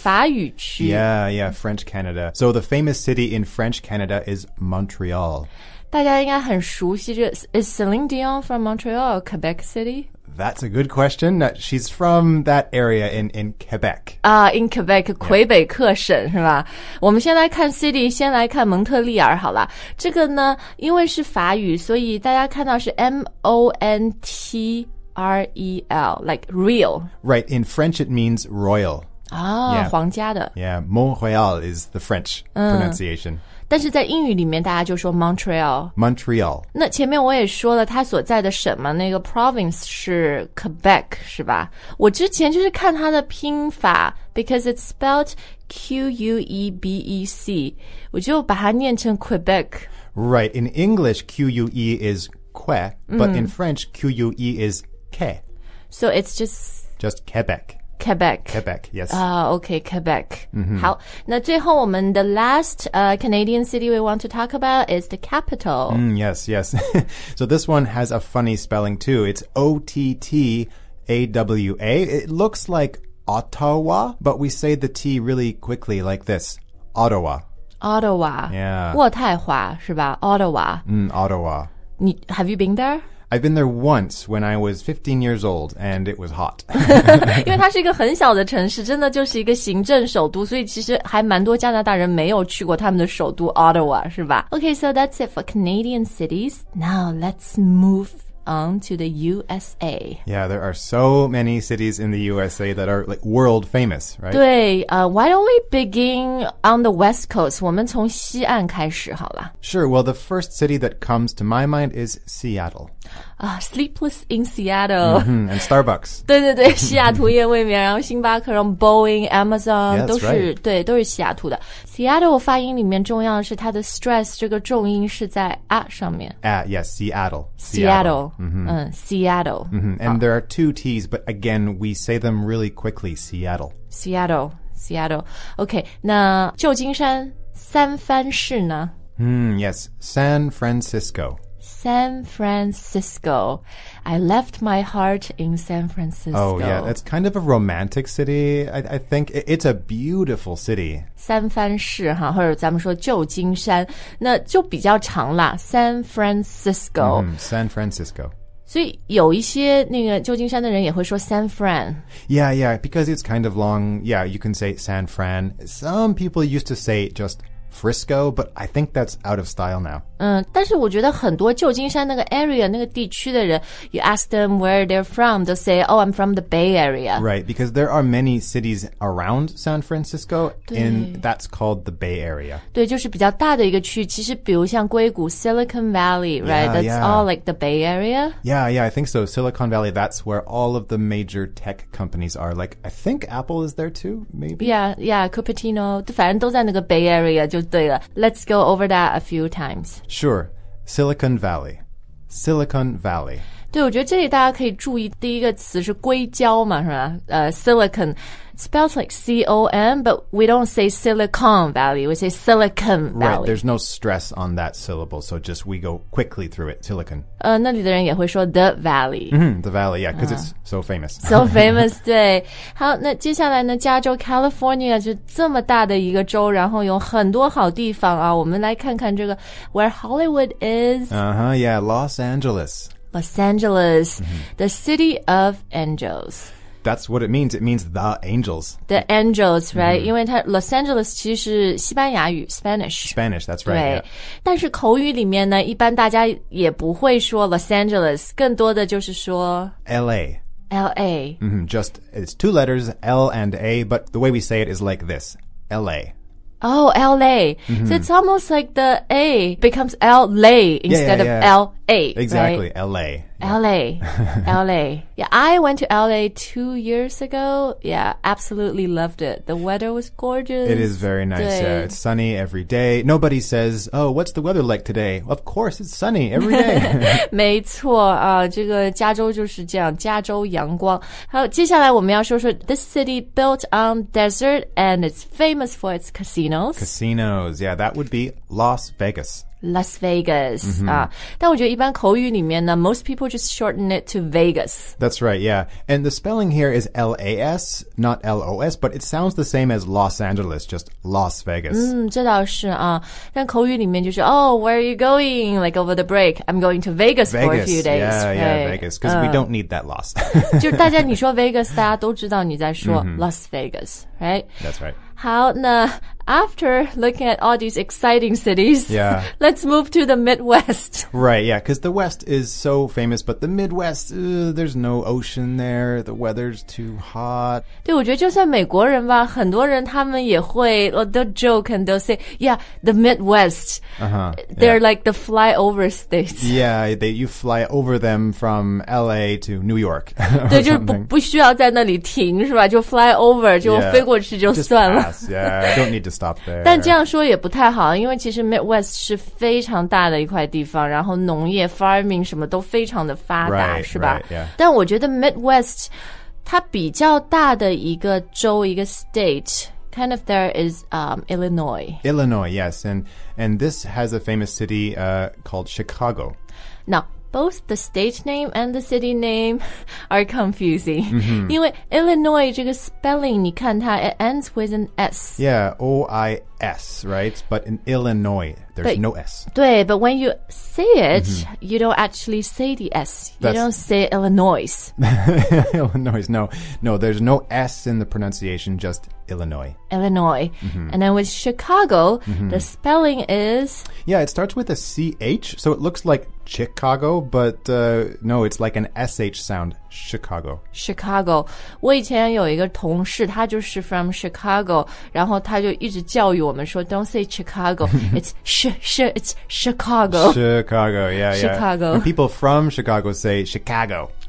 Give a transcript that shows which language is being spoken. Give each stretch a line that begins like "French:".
Chinese: 法语区。
English: Yeah, yeah, French Canada. So the famous city in French Canada is Montreal.
Chinese: 大家应该很熟悉这
English: Is Celine Dion from Montreal or Quebec City? That's a good question. She's from that area in Quebec. In Quebec,、yeah.
Chinese: 魁北克省是吧？
English: 我们先来看 city, 先来看蒙特利尔好了。这个呢，因为是法语，所以大家看到是 Montreal, like real. Right, in French it means royal. Ah, yeah.
Chinese: 皇家的。
English: Yeah, Montreal is the French pronunciation.、嗯
Chinese: 但是在英语里面大家就说 Montreal
English: Montreal
Chinese: 那前面我也说了他所在的省嘛那个 province 是 Quebec 是吧我之前就是看他的拼法
English: because it's spelled Quebec
Chinese: 我就把它念成 Quebec
English: Right, in English Q-U-E is Que but in French Q-U-E is Que So it's just Just Quebec Quebec. Quebec, yes. Okay, Quebec.、 Mm-hmm.
Chinese: 好那最后我们的
English: last、Canadian city we want to talk about is the capital.、 Mm, yes, yes. So this one has a funny spelling too. It's O-T-T-A-W-A. It looks like Ottawa, but we say the T really quickly like this. Ottawa. Ottawa. Yeah.
Chinese: 渥太华是吧 Ottawa.、
English: Mm, Ottawa. Have you been there? I've been there once when I was 15 years old, and it was hot.
Chinese: 因为它是一个很小的城市，真的就是一个行政首都，所以其实还蛮多加拿大人没有去过他们的首都 Ottawa, 是吧?
English: Okay, so that's it for Canadian cities. Now let's move on to the USA. Yeah, there are so many cities in the USA that are like world famous, right? 对, why don't we begin on the West Coast?
Chinese: 我们从西岸开始好了。
English: Sure, well, the first city that comes to my mind is Seattle. Sleepless in Seattle、 mm-hmm, and Starbucks.
Chinese: 对对对，西雅图夜未眠，然后星巴克，然后 Boeing, Amazon,
English: yeah,
Chinese: 都是、
English: right.
Chinese: 对，都是西雅图的。 Seattle 发音里面重要的是它的 stress 这个重音是在 a 上面。
English: Yes, Seattle. Seattle. Seattle.、Mm-hmm. Seattle. Mm-hmm. And there are two T's, but again, we say them really quickly. Seattle. Seattle. Seattle. Okay.
Chinese: 那旧金山三藩市呢？
English: Yes, San Francisco. San Francisco. I left my heart in San Francisco. Oh, yeah. That's kind of a romantic city. I think it's a beautiful city.
Chinese: 三藩市哈或者咱们说旧金山那就比较长了 San Francisco.
English: San Francisco.
Chinese: 所以有一些那个旧金山的人也会说 San Fran.
English: Yeah, yeah, because it's kind of long. Yeah, you can say San Fran. Some people used to say just Frisco, but I think that's out of style now.
Chinese: 但是我觉得很多旧金山那个
English: area,
Chinese: 那个地区的人
English: you ask them where they're from, they'll say, oh, I'm from the Bay Area. Right, because there are many cities around San Francisco, and that's called the Bay Area.
Chinese: 对，就是比较大的一个区。其实比如像硅谷 Silicon Valley, right?
English: Yeah, that's all like the Bay Area. Yeah, yeah, I think so. Silicon Valley, that's where all of the major tech companies are. Like, I think Apple is there too, maybe?
Chinese: Yeah, yeah, Cupertino, 反正都在那个 Bay Area 就对了。
English: Let's go over that a few times. Sure, Silicon Valley, Silicon Valley.
Chinese: 对，我觉得这里大家可以注意第一个词是硅胶嘛，是吧？
English: Silicon, spells like C-O-N, but we don't say Silicon Valley, we say Silicon Valley. Right, there's no stress on that syllable, so just we go quickly through it, Silicon.
Chinese: 那里的人也会说 The Valley.
English: Mm-hmm, the Valley, yeah, because it's so famous. So famous, 对。
Chinese: 好，那接下来呢，加州 California 就这么大的一个州，然后有很多好地方啊，我们来看看这个
English: where Hollywood is. Uh-huh, yeah, Los Angeles. Los Angeles,、mm-hmm. the city of angels. That's what it means. It means the angels. The angels, right? Because、mm-hmm.
Chinese: Los Angeles 其实西班牙语 Spanish.
English: Spanish, that's right. 对、yeah.
Chinese: 但是口语里面呢一般大家也不会说 Los Angeles, 更多的就是说
English: LA. LA.、 Mm-hmm, just, it's two letters, L and A, but the way we say it is like this, LA. Oh, L.A.、Mm-hmm. So it's almost like the A becomes L.A. instead yeah, yeah, yeah. of L.A. Exactly,、 right? L.A.、 Yeah. L.A. L.A. Yeah, I went to L.A. 2 years ago. Yeah, absolutely loved it. The weather was gorgeous. It is very nice. Yeah, it's sunny every day. Nobody says, oh, what's the weather like today? Of course, it's sunny every day.
Chinese: 没错、啊、这个加州就是这样，加州阳光。好，接下来我们要说说
English: this city built on desert and it's famous for its casinos. Casinos, yeah, that would be Las Vegas. Las Vegas. Mm-hmm.
Chinese: 但我觉得一般口语里面呢
English: most people just shorten it to Vegas. That's right, yeah. And the spelling here is L-A-S, not L-O-S, but it sounds the same as Los Angeles, just Las Vegas.
Chinese: 这倒是啊。但口语里面就是
English: oh, where are you going? Like over the break, I'm going to Vegas, Vegas for a few days. Yeah,、 right? yeah, Vegas, because、we don't need that loss.
Chinese: 就大家你说 Vegas, 大家都知道你在说、mm-hmm.
English: Las Vegas, right? That's right. 好，那 after looking at all these exciting cities, yeah. let's move to the Midwest. Right, yeah, because the West is so famous, but the Midwest, there's no ocean there, the weather's too hot.
Chinese: 对，我觉得就算美国人吧，很多人他们也会
English: they'll joke and they'll say, yeah, the Midwest,、 uh-huh, they're yeah. like the flyover states. Yeah, you fly over them from LA to New York.
Chinese: 对，就是不需要在那里停，是吧？就 fly over, 就、
English: yeah.
Chinese: 飞过去就算了。
English: Yeah, don't need to stop there.
Chinese: 但这样说也不太好，因为其实 Midwest 是非常大的一块地方，然后农业 farming 什么都非常的发达，
English: right,
Chinese: 是吧？
English: Right, yeah.
Chinese: 但我觉得 Midwest 它比较大的一个州一个 state kind of there is Illinois.
English: Illinois, yes, and this has a famous city called Chicago. Now. Both the state name and the city name are confusing.、 Mm-hmm.
Chinese: 因为 Illinois 这个 spelling, 你看它
English: it ends with an S. Yeah, O-I-S, right? But in Illinois, there's no S. 对, but when you say it,、mm-hmm. you don't actually say the S. You don't say Illinois. Illinois, no. No, there's no S in the pronunciation, just Illinois. Illinois.、Mm-hmm. And then with Chicago,、mm-hmm. the spelling is... Yeah, it starts with a C-H, so it looks like... Chicago, but、no, it's like an SH sound, Chicago. Chicago.
Chinese: 我以前有一个同事他就是 from Chicago, 然后他就一直教育我们说
English: don't say Chicago, it's Chicago. Chicago, yeah, yeah. Chicago. When people from Chicago say Chicago.